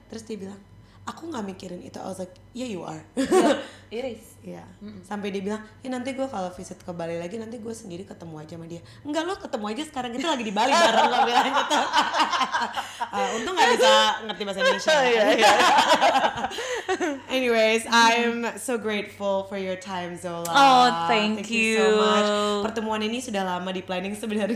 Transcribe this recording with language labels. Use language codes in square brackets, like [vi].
[id] Terus dia bilang, aku gak mikirin itu. [en] I was like, yeah you are. Yeah, it is. [id] Yeah. Sampai dia bilang, ya nanti gue kalau visit ke Bali lagi, nanti gue sendiri ketemu aja sama dia. Enggak, lo ketemu aja sekarang. Kita lagi di Bali bareng. Gak bilang gitu. Untung gak bisa ngerti bahasa Indonesia. [en] Anyways, I'm so grateful for your time, Zola. Oh, thank you so much. [id] Pertemuan ini sudah lama di planning sebenarnya.